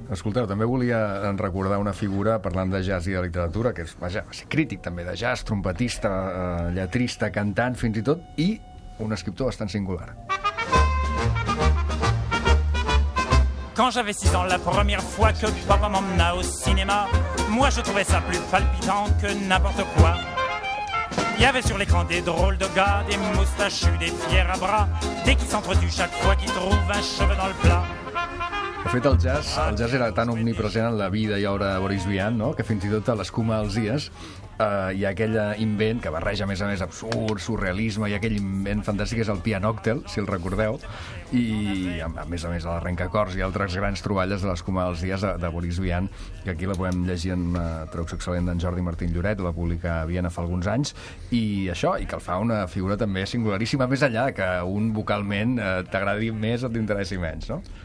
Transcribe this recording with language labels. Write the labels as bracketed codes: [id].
[ca] Escolteu, també volia recordar una figura, parlant de jazz i de literatura, que és, vaja, va ser crític també de jazz, trompetista, lletrista, cantant, fins i tot, i un escriptor bastant singular. [fr] Quand j'avais 6 ans, la première fois que papa m'emmena au cinéma, moi je trouvais ça plus palpitant que n'importe quoi. Il y avait sur l'écran des drôles de gars, des moustachus, des fiers à bras, des qui s'entretuent chaque fois qu'ils trouvent un cheveu dans le plat. [ca] De fet, el jazz era tan omnipresent en la vida i obra de Boris Vian, no?, que fins i tot a l'escuma dels dies hi ha aquell invent que barreja, més a més, absurd, surrealisme, i aquell invent fantàstic és el pianòctel, si el recordeu, i a més l'arrencacors i altres grans troballes de l'escuma dels dies de Boris Vian, que aquí la podem llegir en una traducció excel·lent d'en Jordi Martín Lloret, la publica a Viena fa alguns anys, i això, i que el fa una figura també singularíssima, més enllà que un vocalment t'agradi més o t'interessi menys, no?